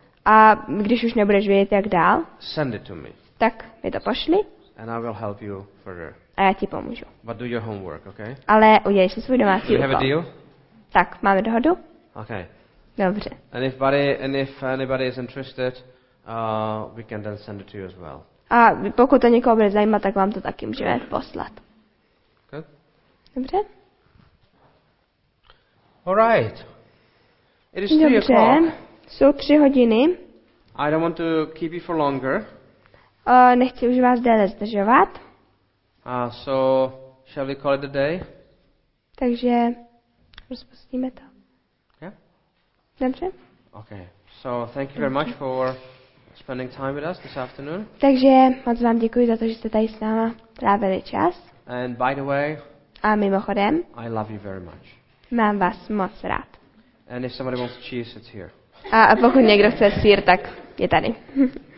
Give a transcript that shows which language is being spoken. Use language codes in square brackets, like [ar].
[cs] a když už nebudeš vědět, jak dál, [en] send it to me. [cs] Tak mi to pošli. [en] And I will help you further. [cs] A já ti pomůžu. [en] But do your homework, okay? [cs] Ale udělej si svůj domácí úkol. [en] Have a deal? [cs] Tak, máme dohodu? [en] Okay. [cs] Dobře. [en] And if buddy, and if anybody is interested, we can then send it to you as well. [cs] A pokud to někoho bude zajímat, tak vám to taky můžeme poslat. [en] Good. [cs] Dobře. [en] All right. It is 3 o'clock. [cs] Dobře. Jsou 3 hodiny. [en] I don't want to keep you for longer. [cs] Nechci už vás déle zdržovat. [en] So shall we call it a day? [cs] Takže rozpustíme to. [en] Yeah. [cs] Dobře. [en] Okay. So thank you very much for spending time with us this afternoon. [cs] Takže moc vám děkuji za to, že jste tady s náma trávili čas. [en] And by the way, [cs] a mimochodem, [en] I love you very much. [cs] Mám vás moc rád. [en] And if somebody wants cheese, it's here. [cs] A pokud někdo chce sýr, tak je tady.